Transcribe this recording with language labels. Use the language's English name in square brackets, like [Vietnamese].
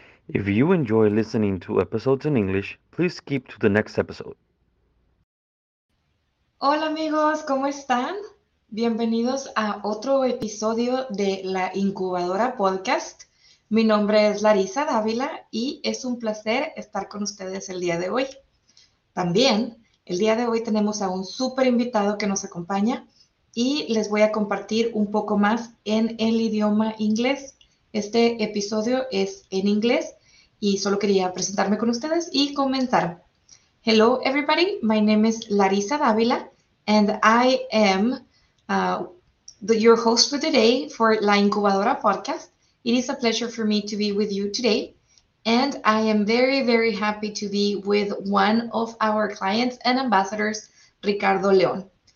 [English] If you enjoy listening to episodes in English, please skip to the next episode. [Spanish] Hola amigos, ¿cómo están? Bienvenidos a otro episodio de la Incubadora Podcast. Mi nombre es Larisa Dávila y es un placer estar con ustedes el día de hoy. También, el día de hoy tenemos a un súper invitado que nos acompaña y les voy a compartir un poco más en el idioma inglés. Este episodio es en inglés y solo quería presentarme con ustedes y comenzar. [English] Hello everybody, my name is Larisa Dávila and I am your host for today for La Incubadora Podcast. It is a pleasure for me to be with you today and I am very, very happy to be with one of our clients and ambassadors, Ricardo León.